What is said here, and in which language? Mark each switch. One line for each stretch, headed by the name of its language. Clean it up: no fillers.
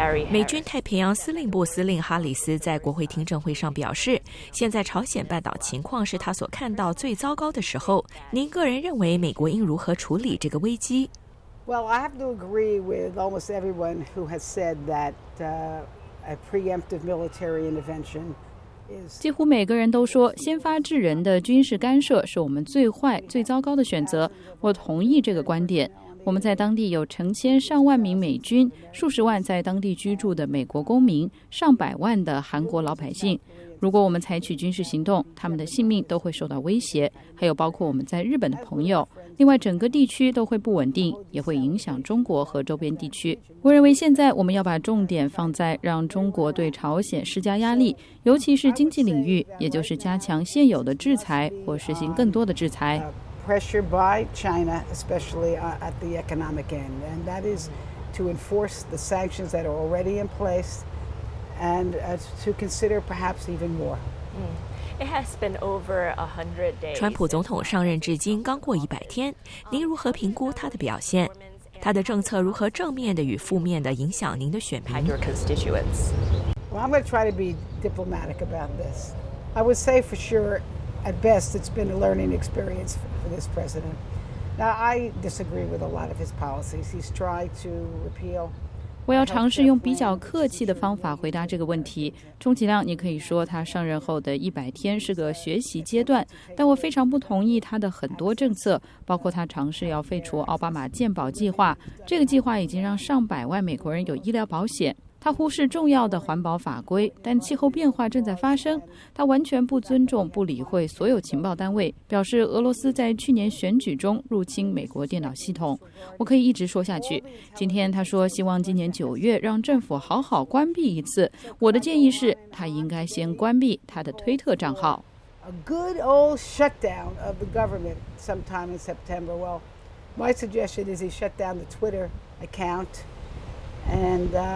Chinese: 美军太平洋司令部司令哈里斯在国会听证会上表示，现在朝鲜半岛情况是他所看到最糟糕的时候。您个人认为美国应如何处理这个危机？
English: Well, I have to agree with almost everyone who has said that a preemptive military intervention is.
Chinese: 几乎每个人都说，先发制人的军事干涉是我们最坏、最糟糕的选择。我同意这个观点。我们在当地有成千上万名美军，数十万在当地居住的美国公民，上百万的韩国老百姓。如果我们采取军事行动，他们的性命都会受到威胁，还有包括我们在日本的朋友。另外，整个地区都会不稳定，也会影响中国和周边地区。我认为现在我们要把重点放在让中国对朝鲜施加压力，尤其是经济领域，也就是加强现有的制裁或实行更多的制裁。
English: Pressure by China, especially at the economic end, and that is to enforce the sanctions that are already in place, and to consider perhaps even more. It has been over 100 days.
Chinese: 川普总统上任至今刚过100天，您如何评估他的表现？他的政策如何正面的与负面的影响您的选民
English: ？Your constituents. Well, I'm going to try to be diplomatic about this. I would say for sure. At best, it's been a learning experience for this president. Now, I disagree with a lot of his policies. He's tried to repeal.
Chinese: 我要尝试用比较客气的方法回答这个问题。充其量，你可以说他上任后的100天是个学习阶段，但我非常不同意他的很多政策，包括他尝试要废除奥巴马健保计划。这个计划已经让上百万美国人有医疗保险。他忽视重要的环保法规，但气候变化正在发生。他完全不尊重、不理会所有情报单位，表示俄罗斯在去年选举中入侵美国电脑系统。我可以一直说下去。今天他说希望今年9月让政府好好关闭一次。我的建议是，他应该先关闭他的推特账号。
English: A good old shutdown of the government sometime in September. Well, my suggestion is he shut down the Twitter account and.